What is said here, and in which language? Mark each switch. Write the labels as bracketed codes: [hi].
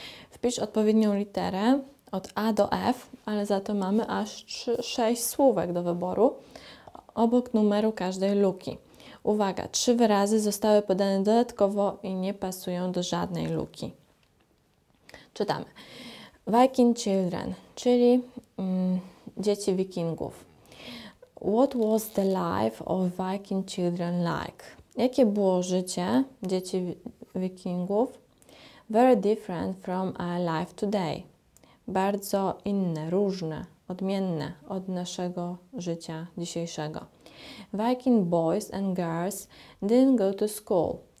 [pl] Wpisz odpowiednią literę od A do F, ale za to mamy aż 6 słówek do wyboru obok numeru każdej luki. Uwaga, 3 wyrazy zostały podane dodatkowo i nie pasują do żadnej luki. Czytamy. [en] Viking children, [pl] czyli dzieci wikingów. [en] What was the life of Viking children like? [pl] Jakie było życie dzieci wikingów? [en] Very different from our life today. [pl] Bardzo inne, różne, odmienne od naszego życia dzisiejszego. [en] Viking boys and girls didn't go to school.